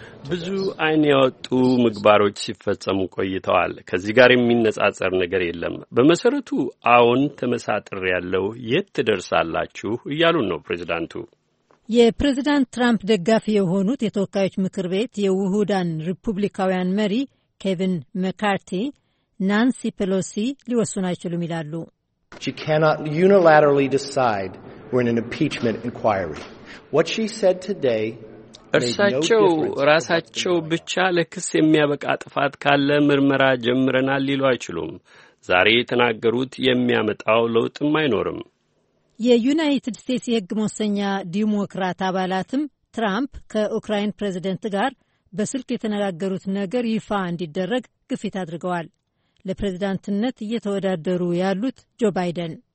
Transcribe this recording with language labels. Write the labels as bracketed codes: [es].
[am] ብዙ አይን ያወጡ ምግባሮች ሲፈጸሙ ቆይተዋል። ከዚህ ጋር የሚነጻጸር ነገር የለም። በመሰረቱ አሁን ተመሳጥር ያለው የት ትደርሳላችሁ እያሉን ነው ፕሬዚዳንቱ። የፕሬዚዳንት ትራምፕ ደጋፊ የሆኑት የተወካዮች ምክር ቤት የውሁዳን ሪፑብሊካውያን መሪ ኬቪን መካርቲ ናንሲ ፔሎሲ ሊወስኑ አይችሉም ይላሉ። [en] She cannot unilaterally decide we're in an impeachment inquiry. What she said today [am] እርሳቸው ራሳቸው ብቻ ለክስ የሚያበቃ ጥፋት ካለ ምርመራ ጀምረናል ሊሉ አይችሉም። ዛሬ የተናገሩት የሚያመጣው ለውጥም አይኖርም። የዩናይትድ ስቴትስ የሕግ መወሰኛ ዲሞክራት አባላትም ትራምፕ ከዩክራይን ፕሬዚደንት ጋር በስልክ የተነጋገሩት ነገር ይፋ እንዲደረግ ግፊት አድርገዋል። ለፕሬዝዳንትነት እየተወዳደሩ ያሉት ጆ ባይደን